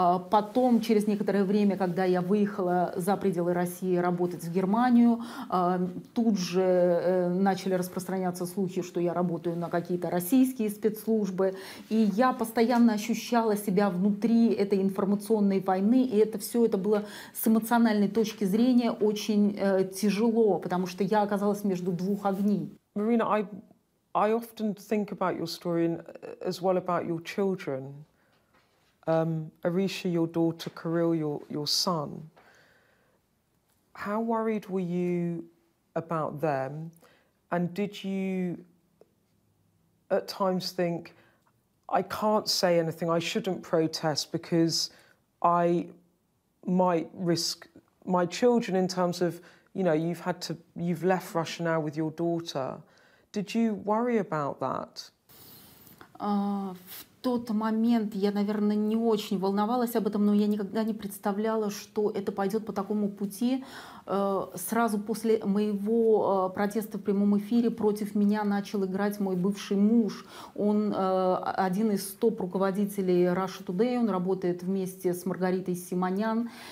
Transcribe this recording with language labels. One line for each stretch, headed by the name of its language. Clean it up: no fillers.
Russian: Потом, через некоторое время, когда я выехала за пределы России работать в Германию, тут же начали распространяться слухи, что я работаю на какие-то российские спецслужбы, и я постоянно ощущала себя внутри этой информационной войны, и это все это было с эмоциональной точки зрения очень тяжело, потому что я оказалась между двух огней.
English: Marina, I often think about your story and as well about your children. Arisha, your daughter, Kirill, your son. How worried were you about them? And did you at times think, I can't say anything, I shouldn't protest because I might risk my children in terms of, you know, you've left Russia now with your daughter. Did you worry about that?
Russian: В тот момент я, наверное, не очень волновалась об этом, но я никогда не представляла, что это пойдет по такому пути. Сразу после моего протеста в прямом эфире против меня начал играть мой бывший муж. Он один из топ-руководителей Russia Today, он работает вместе с Маргаритой Симонян.